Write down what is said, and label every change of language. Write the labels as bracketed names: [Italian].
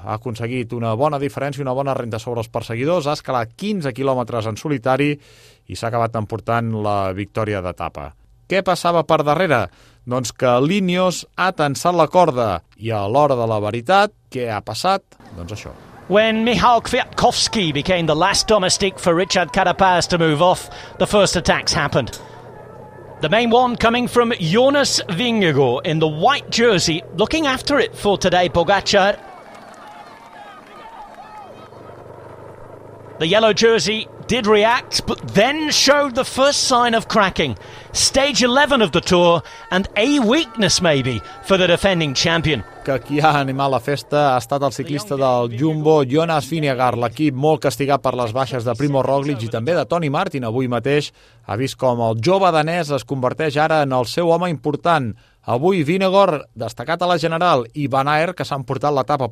[Catalan] Ha aconseguit una bona diferència i una bona renta sobre els perseguidors, ha escalat 15 quilòmetres en solitari i s'ha acabat emportant la victòria d'etapa. Què passava per darrere? Doncs que l'Ineos ha tensat la corda. I a l'hora de la veritat, què ha passat? Doncs això. [English] When Michał Kwiatkowski became the last domestic for Richard Carapaz to move off, the first attacks happened. The main one coming from Jonas Vingegaard in the white jersey, looking after it for today, Pogacar. The yellow jersey did react, but then showed the first sign of cracking. Stage 11 of the Tour, and a weakness maybe for the defending champion. [Catalan] Que qui ha animat la festa ha estat el ciclista del Jumbo, Jonas Vingegaard, l'equip molt castigat per les baixes de Primo Roglic i també de Tony Martin avui mateix. Ha vist com el jove danès es converteix ara en el seu home important. Avui Vingegaard, destacat a la general, i Van Aert, que s'han portat l'etapa.